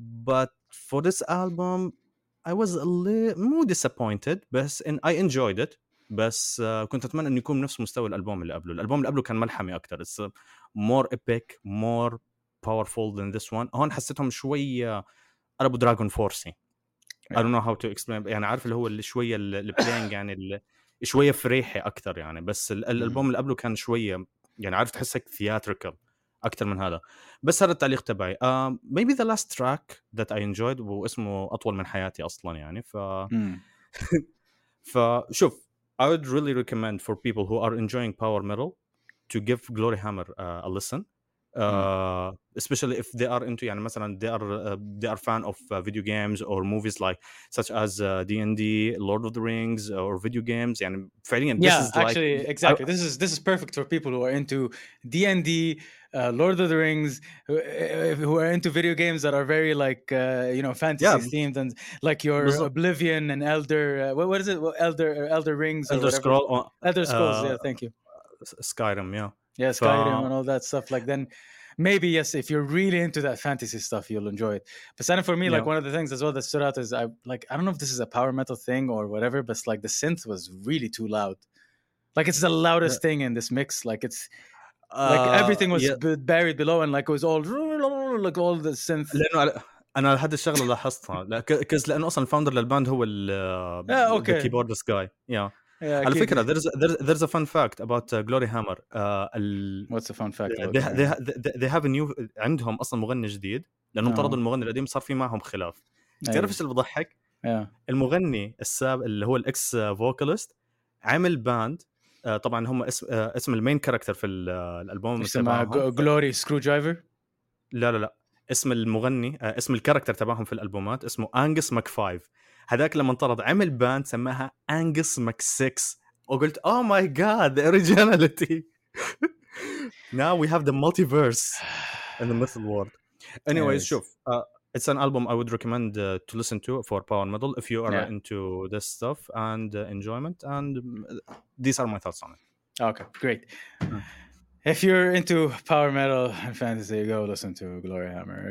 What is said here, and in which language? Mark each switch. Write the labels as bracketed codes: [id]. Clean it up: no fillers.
[en] But for this album I was a little more disappointed بس and I enjoyed it. [ar] بس كنت أتمنى أن يكون نفس مستوى الألبوم اللي قبله. الألبوم اللي قبله كان ملحمي أكتر. [en] It's more epic, more powerful than this one. [ar] هون حسيتهم شوية قربوا دراغون فورسي. [en] I don't know how to explain. [ar] يعني عارف اللي هو اللي شوية اللي playing يعني اللي شوية فريحي أكتر يعني. بس الألبوم اللي قبله كان شوية يعني عارف تحسك theatrical أكتر من هذا. بس هذا التعليق تبعي. [en] Maybe the last track that I enjoyed [ar] واسمه أطول من حياتي أصلا يعني. [en] فشوف I would really recommend for people who are enjoying power metal to give Gloryhammer a listen, especially if they are into, [ar] يعني مثلاً [en] they are fan of video games or movies like such as D&D, Lord of the Rings, or video games. [ar] يعني فعلياً [en] this is actually like, exactly this is perfect for people who are into D&D, Lord of the Rings, who are into video games that are very like you know fantasy themed and like your Oblivion and Elder what is it Elder Rings Elder Scroll Elder Scrolls yeah thank you Skyrim yeah. Yeah, Skyrim and all that stuff. Like, then maybe, yes, if you're really into that fantasy stuff, you'll enjoy it. But then for me, like, one of the things as well that stood out is, I don't know if this is a power metal thing or whatever, but, like, the synth was really too loud. Like, it's the loudest thing in this mix. Like, it's, like, everything was buried below and, like, it was all, like, all the synth. [ar] أنا لحد الشغلة لاحظتها. لأنه أصلاً الفاوندر للباند هو الكي بوردس جاي. [en] Yeah. Yeah, [ar] على فكرة [en] there's a fun fact about Gloryhammer. What's a fun fact? They have a new [ar] عندهم أصلاً مغني جديد لأنهم طردوا المغني القديم صار في معهم خلاف. تعرف إيش اللي بضحك؟ المغني الساب اللي هو الإكس فوكاليست عمل باند طبعاً هم اسم المين كاركتر في الألبوم اسمه Glory Screwdriver. لا اسم المغني اسم الكاركتر تبعهم في الألبومات اسمه أنجس مكفايف. هذاك لما انطرد عمل باند سماها أنجس مك 6 وقلت [en] oh my god the originality. Now we have the multiverse in the mythical world. Anyways, شوف it's an album I would recommend to listen to for power metal if you are into this stuff and enjoyment and these are my thoughts on it. Okay, great. If you're into power metal and fantasy, go listen to Gloryhammer.